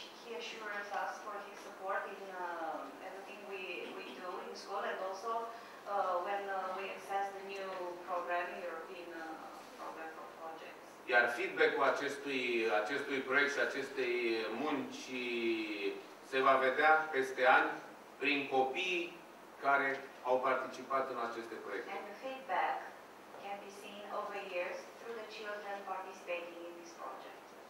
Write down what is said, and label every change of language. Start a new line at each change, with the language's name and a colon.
English: He assures us for his support in everything we do in school and also when we assess the new program, European program for projects.
Romanian: Iar feedback-ul acestui proiect și acestei munci se va vedea peste ani prin copiii care au participat în aceste proiecte.
English: And the feedback can be seen over years through the children participating in this project.